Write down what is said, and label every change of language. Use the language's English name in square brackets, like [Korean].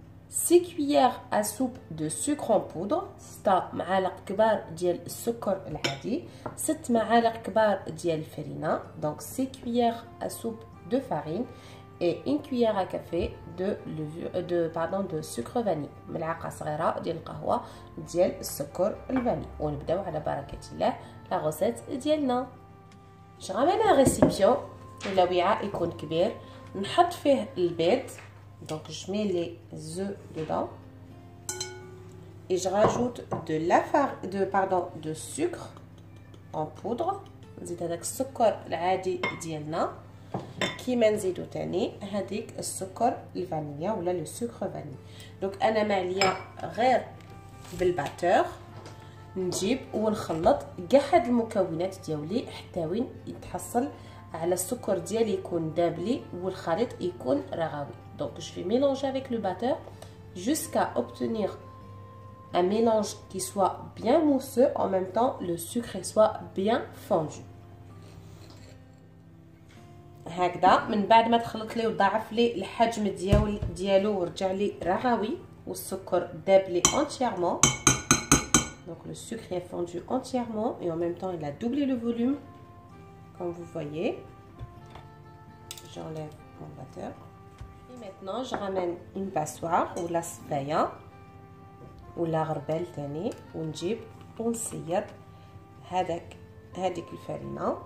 [French] 6 cuillères à soupe de sucre en poudre, c'est un [Arabic] معلق كبار ديال السكر العادي, [French] 7 [Arabic] معالق كبار ديال الفرينه, [French] donc 6 cuillères à soupe de farine et 1 cuillère à café de levure de pardon de sucre vanille, [Arabic] ملعقه صغيره ديال القهوه ديال السكر الفاني. ونبداو على بركه الله [French] la recette [Arabic] ديالنا. [French] Je ramène un récipient, le [Arabic] وعاء يكون كبير, نحط فيه البيض. [French] Donc je mets les œufs dedans et je rajoute de la farine, de sucre en poudre. C'est avec le sucre [Arabic] العادي ديالنا [French] qui m'enzido tani [Arabic] هذيك السكر الفانيليا [French] ou là le sucre vanille. [Arabic] Donc انا معليا غير بالباتور نجيب ونخلط كاع هاد المكونات ديالي حتى وين يتحصل على السكر ديالي يكون دابلي والخليط يكون رغوي. [French] Donc je vais mélanger avec le batteur jusqu'à obtenir un mélange qui soit bien mousseux, en même temps le sucre soit bien fondu. [Arabic] هكذا من بعد ما تخلط ليه وضاعف ليه الحجم ديالو ورجع ليه رغوي والسكر داب ليه [French] entièrement. Donc le sucre est fondu entièrement et en même temps il a doublé le volume comme vous voyez. J'enlève mon batteur. Maintenant, je ramène une passoire ou la sfaya ou la rebelle tani ou njib pour essayer avec le farine.